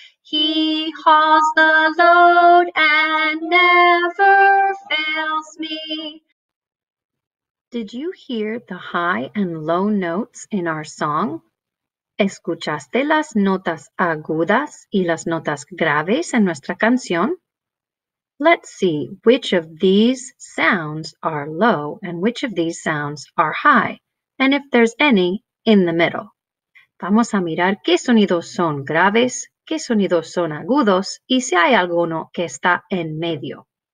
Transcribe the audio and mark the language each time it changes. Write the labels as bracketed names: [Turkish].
[English] He hauls the load and never fails me. Did you hear the high and low notes in our song? [Spanish] ¿Escuchaste las notas agudas y las notas graves en nuestra canción? [English] Let's see which of these sounds are low and which of these sounds are high, and if there's any in the middle. [Spanish] Vamos a mirar qué sonidos son graves, qué sonidos son agudos y si hay alguno que está en medio.